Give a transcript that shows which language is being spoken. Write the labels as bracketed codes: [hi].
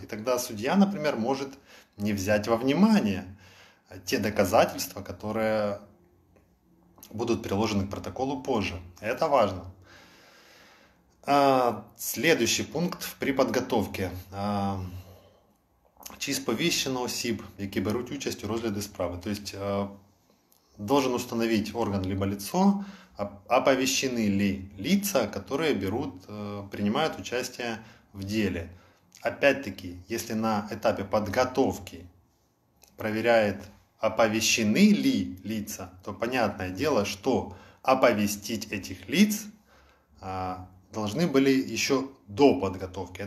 [ru] И тогда судья, например, может не взять во внимание те доказательства, которые будут приложены к протоколу позже. Это важно. Следующий пункт при подготовке. [uk] Чи сповіщено осіб, які беруть участь у розгляді справи. [ru] То есть, должен установить орган либо лицо, оповещены ли лица, которые принимают участие в деле. Опять-таки, если на этапе подготовки проверяет, оповещены ли лица, то понятное дело, что оповестить этих лиц должны были еще до подготовки.